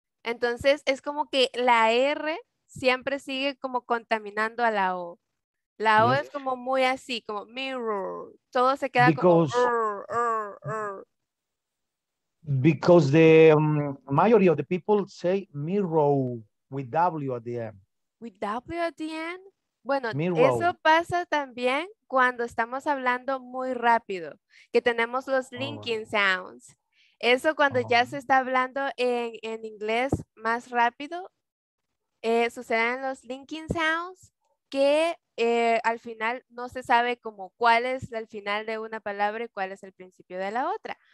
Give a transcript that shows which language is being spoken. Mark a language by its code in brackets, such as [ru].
[es] Entonces es como que la R siempre sigue como contaminando a la O. La O es como muy así, como mirror. Todo se queda [en] because, [es] como [en] because the majority of the people say mirror with W at the end. With W at the end? [es] Bueno, [en] mirror. [es] Eso pasa también cuando estamos hablando muy rápido, que tenemos los linking sounds. Eso cuando ya se está hablando en inglés más rápido, suceden los linking sounds que al final no se sabe como cuál es el final de una palabra y cuál es el principio de la otra.